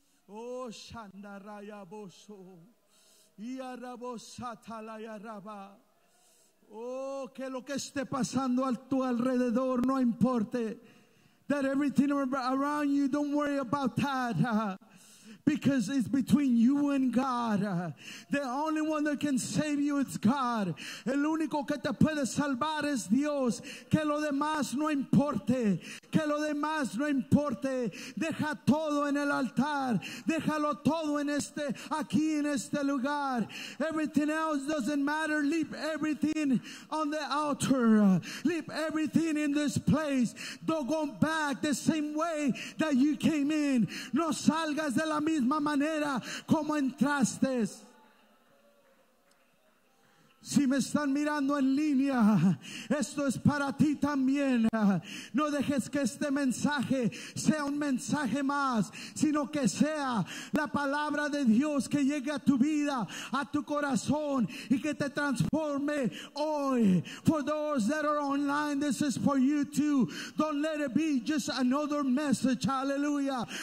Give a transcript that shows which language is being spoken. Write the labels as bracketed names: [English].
[Spanish] Oh, Shandaraya Boso. Oh, que lo que esté pasando a tu alrededor no importe. [English] That everything around you, don't worry about that. Because it's between you and God. The only one that can save you is God. [Spanish] El único que te puede salvar es Dios. Que lo demás no importe. Que lo demás no importe. Deja todo en el altar. Déjalo todo en este, aquí en este lugar. [English] Everything else doesn't matter. Leave everything on the altar. Leave everything in this place. Don't go back the same way that you came in. [Spanish] No salgas de la misma manera como entraste. Si me están mirando en línea, esto es para ti también. No dejes que este mensaje sea un mensaje más, sino que sea la palabra de Dios que llegue a tu vida, a tu corazón, y que te transforme hoy. [English] For those that are online, this is for you too. Don't let it be just another message, hallelujah.